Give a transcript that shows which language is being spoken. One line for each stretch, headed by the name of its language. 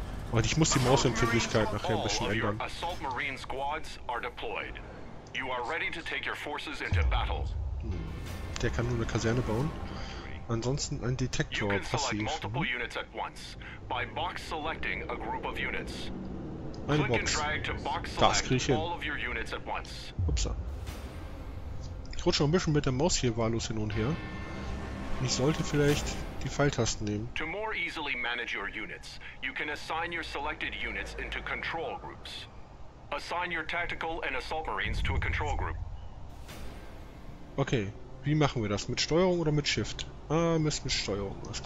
German: Und ich muss die Mausempfindlichkeit nachher ein bisschen ändern.
English: Assault Marine squads are deployed. You are ready to take your forces into battle.
German: Der kann nur eine Kaserne bauen. Ansonsten ein Detektor passiv.
English: You can select multiple units at once by box selecting a group of units.
German: Eine Box. Das krieg ich hin. Upsa. Ich rutsche noch ein bisschen mit der Maus hier wahllos hin und her. Ich sollte vielleicht die Pfeiltasten nehmen.
English: To more easily manage your units, you can assign your selected units into control groups. Assign your tactical and assault marines to a control group.
German: Okay, wie machen wir das? Mit Steuerung oder mit Shift? Ah, müssen mit Steuerung.